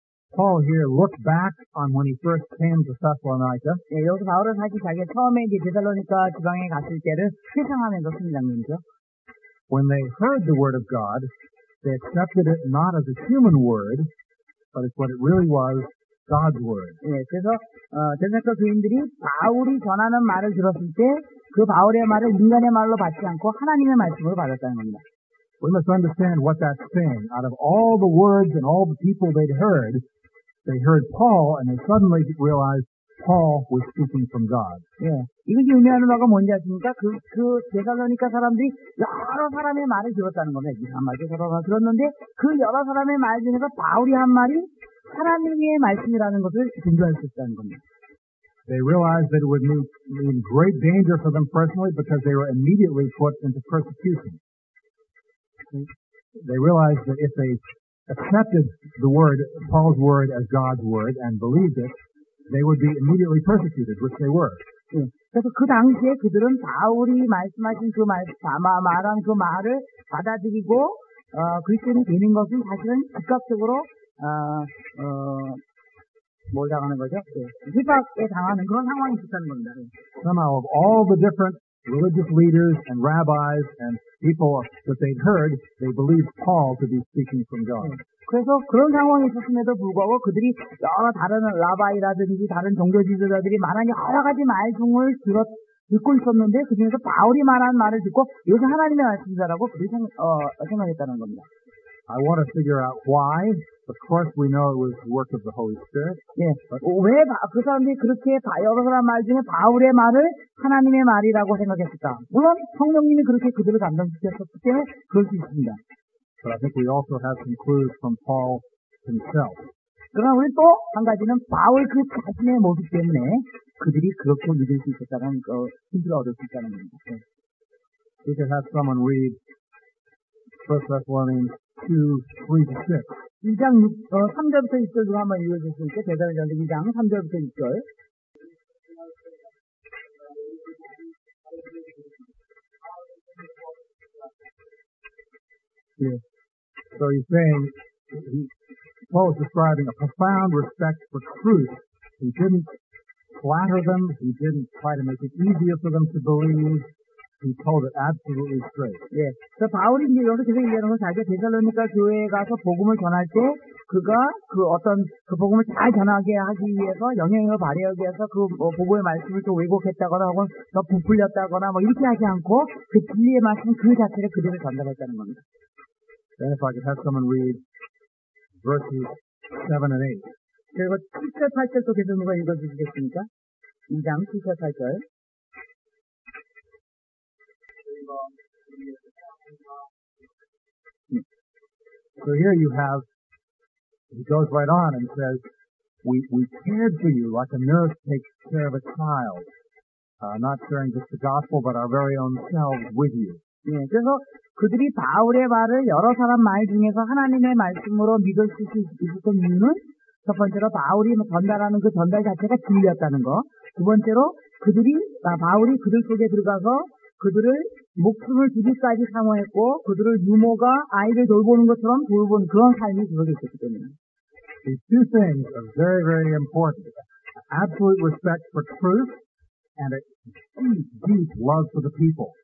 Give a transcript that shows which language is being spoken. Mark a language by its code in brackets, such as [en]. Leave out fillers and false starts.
[en] Paul here looked back on when he first came to Thessalonica. [ko] 예, 여기서 바울은 사실 자기 처음에 이제 데살로니가 지방에 갔을 때를 회상하면서 쓴 장면이죠. [en] When they heard the word of God, they accepted it not as a human word, but as what it really was, God's word. [ko] 예, 그래서 데살로니가 교인들이 바울이 전하는 말을 들었을 때 그 바울의 말을 인간의 말로 받지 않고 하나님의 말씀으로 받았다는 겁니다. [en] We must understand what that's saying. Out of all the words and all the people they heard Paul, and they suddenly realized Paul was speaking from God. [ko] 예, 이게 의미하는 바가 뭔지 아십니까? 그 데살로니가 사람들이 여러 사람의 말을 들었다는 겁니다. 이 한 말도 서로가 들었는데 그 여러 사람의 말 중에서 바울이 한 말이 하나님의 말씀이라는 것을 증거할 수 있다는 겁니다. [en] They realized that it would mean great danger for them personally because they were immediately put into persecution. They realized that if they accepted the word, Paul's word as God's word and believed it, they would be immediately persecuted, which they were. [ko] 그래서 그 당시에 그들은 바울이 말씀하신 그 말, 말한 그 말을 받아들이고 그리스도인이 되는 것은 사실은 즉각적으로 뭘 당하는 거죠? 회박에 당하는 그런 상황이 있었다는 겁니다. [en] Somehow of all the different religious leaders and rabbis and people that they'd heard, they believed Paul to be speaking from God. [ko] 그래서 그런 상황이 있었음에도 불구하고 그들이 여러 다른 라바이라든지 다른 종교 지도자들이 말한 여러 가지 말중을 듣고 있었는데 그 중에서 바울이 말한 말을 듣고 이것은 하나님의 말씀이라고 그들이 생각했다는 겁니다. [en] I want to figure out why. Of course, we know it was the work of the Holy Spirit. [ko] 예, 왜 그 사람들이 그렇게 여러 사람 말 중에 바울의 말을 하나님의 말이라고 생각했을까? 물론 성령님이 그렇게 그들을 감동시켰었기 때문에 그럴 수 있습니다. [en] But I think we also have some clues from Paul himself. [ko] 그러나 우리 또 한 가지는 바울 그 자신의 모습 때문에 그들이 그렇게 믿을 수 있었다는 그 힘을 얻을 수 있다는 겁니다. [en] We can have someone read 1 Thessalonians 2, 3 to 6. [ko] 2장 6, 3절부터 6절도 한번 읽어주실 수 있게 대단히 2장 3절부터 6절. 예. [en] So he's saying, Paul is describing a profound respect for truth. He didn't flatter them, he didn't try to make it easier for them to believe. He told it absolutely straight. [ko] 예. 그래서 바울이 이제 여기서 계속 얘기하는 건 자기가 데살로니가 교회에 가서 복음을 전할 때 그가 그 어떤 그 복음을 잘 전하게 하기 위해서 영향을 발휘하기 위해서 그 복음의 말씀을 또 왜곡했다거나 혹은 더 부풀렸다거나 뭐 이렇게 하지 않고 그 진리의 말씀 그 자체를 그대로 전달했다는 겁니다. [en] Then if I could have someone read verses 7 and 8. [ko] 그리고 7절, 8절도 계속 누가 읽어주시겠습니까? 2장 7절, 8절. 네. [en] So here you have, he goes right on and says, we cared for you like a nurse takes care of a child, not sharing just the gospel but our very own selves with you. [ko] 네, 그래서 그들이 바울의 말을 여러 사람 말 중에서 하나님의 말씀으로 믿을 수 있었던 이유는 첫 번째로 바울이 전달하는 그 전달 자체가 진리였다는 거. 두 번째로 그들이 바울이 그들 속에 들어가서 그들을 목숨을 주기까지 상호했고 그들을 유모가 아이를 돌보는 것처럼 돌본 그런 삶이 되어져 있었기 때문에. [en] These two things are very, very important. Absolute respect for truth and a deep, deep love for the people.